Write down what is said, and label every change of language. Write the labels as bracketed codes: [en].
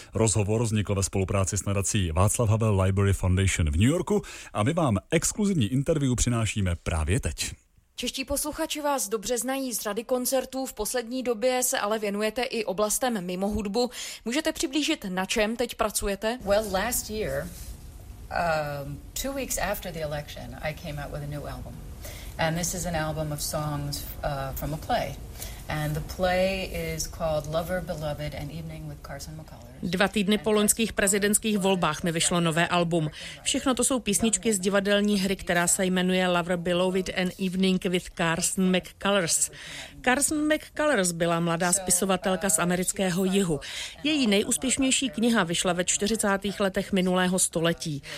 [cs] Rozhovor vznikl ve spolupráci s nadací Václav Havel Library Foundation v New Yorku a my vám exkluzivní interview přinášíme právě teď. Čeští posluchači vás dobře znají z rady koncertů, v poslední době se ale věnujete i oblastem mimo hudbu. Můžete přiblížit, na čem teď pracujete? [en] Well, last year, two weeks after the election, I came out with a new album. And this is an album of songs from a play. And the play is called Lover, Beloved, An Evening with Carson McCullers. [cs] Dva týdny po loňských prezidentských volbách mi vyšlo nové album. Všechno to jsou písničky z divadelní hry, která se jmenuje Lover, Beloved, An Evening with Carson McCullers. Carson McCullers byla mladá spisovatelka z amerického jihu. Její nejúspěšnější kniha vyšla ve 40. letech minulého století.